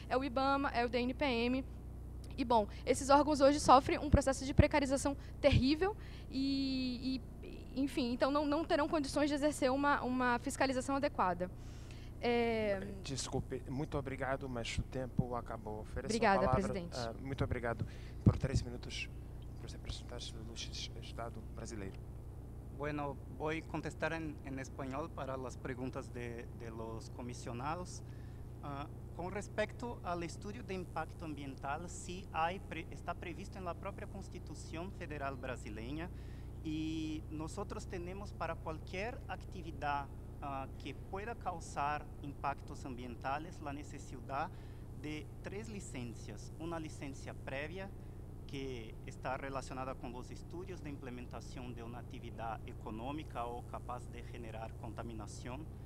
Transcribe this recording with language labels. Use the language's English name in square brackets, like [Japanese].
[Portuguese] É o IBAMA, é o DNPM. E, bom, esses órgãos hoje sofrem um processo de precarização terrível e enfim, então não terão condições de exercer uma fiscalização adequada. Desculpe, muito obrigado, mas o tempo acabou. Ofereço obrigada, a palavra. Presidente. Muito obrigado por 3 minutos. Representantes do Estado brasileiro. [Spanish] Bueno, voy a contestar en español para las preguntas de los comisionados. Con respecto al estudio de impacto ambiental, sí está previsto en la propia Constitución Federal brasileña y nosotros tenemos para cualquier actividad que pueda causar impactos ambientales la necesidad [Portuguese] de 3 licenças. Uma licença prévia, que está relacionada com os estudos de implementação de uma atividade econômica ou capaz de generar contaminação.